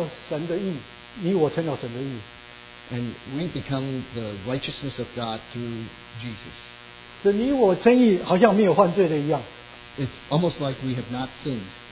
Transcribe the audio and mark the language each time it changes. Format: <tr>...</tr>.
<zh>我们今天这段圣经里头最后讲到，耶稣基督在我们里面成了神的义，你我成了神的义。</zh> <en>And we become the righteousness of God through Jesus.</en> <zh>所以你我称义好像没有犯罪的一样。</zh> <en>It's almost like we have not sinned.</en>